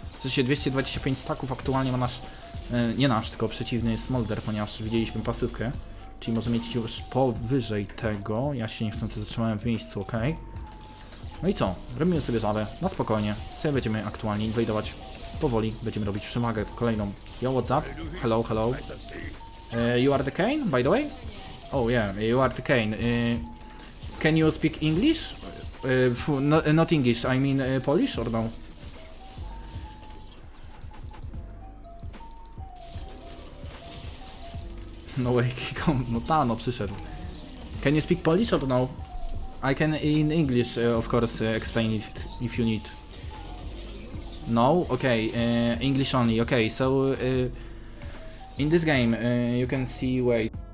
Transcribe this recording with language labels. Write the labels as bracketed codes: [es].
[pl] W sensie 225 staków aktualnie ma nasz... nie nasz, tylko przeciwny Smolder, ponieważ widzieliśmy pasywkę. Czyli może mieć już powyżej tego. Ja się niechcący zatrzymałem w miejscu, okej. No i co? Robimy sobie żabę, na spokojnie. Sobie będziemy aktualnie inwajdować. Powoli będziemy robić przemagę kolejną. [en] Yo, what's up? Hello, hello. You are the Kane, by the way? Oh yeah, you are the Kane. Can you speak English? Not English, I mean Polish or no? No way, [pl] no ta, no przyszedł. [en] Can you speak Polish or no? I can in English, of course, explain it if you need. No? Okay, English only. Okay, so in this game you can see, wait.